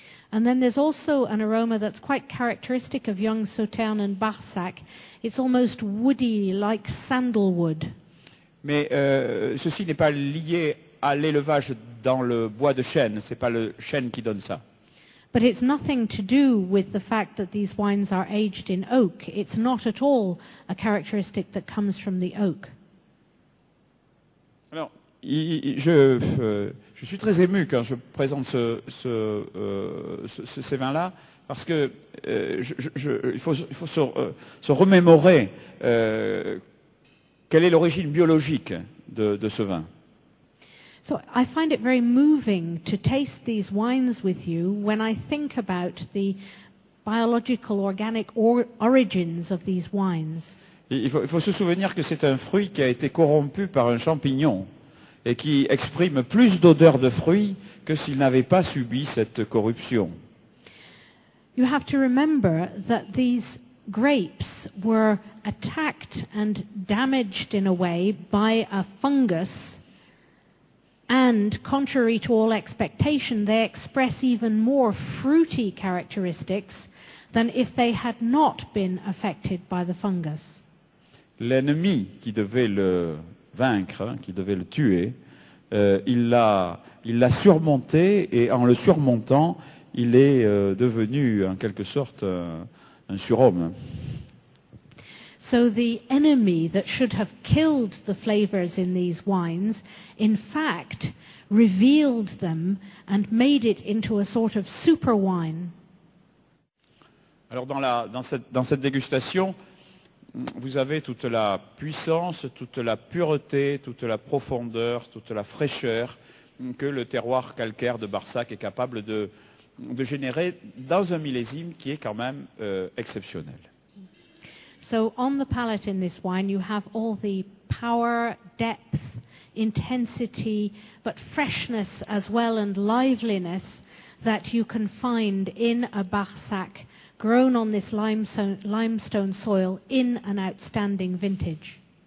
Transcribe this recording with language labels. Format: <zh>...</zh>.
<en>And then there's also an aroma that's quite characteristic of young Sauternes and Barsac. It's almost woody, like sandalwood.</en> <fr>Mais ceci n'est pas lié à l'élevage dans le bois de chêne. C'est pas le chêne qui donne ça.</fr> <en>But it's nothing to do with the fact that these wines are aged in oak. It's not at all a characteristic that comes from the oak.</en> <fr>Alors, je suis très ému quand je présente ces vins-là, parce que il faut se remémorer quelle est l'origine biologique de ce vin.</fr> <en>So I find it very moving to taste these wines with you when I think about the biological organic origins of these wines.</en> <fr>Il faut se souvenir que c'est un fruit qui a été corrompu par un champignon et qui exprime plus d'odeur de fruits que s'il n'avait pas subi cette corruption.</fr> <en>You have to remember that these grapes were attacked and damaged in a way by a fungus. And contrary to all expectation, they express even more fruity characteristics than if they had not been affected by the fungus.</en> <fr>L'ennemi qui devait le vaincre, qui devait le tuer, il l'a surmonté, et en le surmontant, il est devenu en quelque sorte un surhomme.</fr> <en>So the enemy that should have killed the flavors in these wines, in fact, revealed them and made it into a sort of super wine.</en> <fr>Alors dans cette dégustation, vous avez toute la puissance, toute la pureté, toute la profondeur, toute la fraîcheur que le terroir calcaire de Barsac est capable de générer dans un millésime qui est quand même exceptionnel.</fr> <en>So on the palate in this wine, you have all the power, depth, intensity, but freshness as well and liveliness that you can find in a Barsac grown on this limestone soil in an outstanding vintage.</en>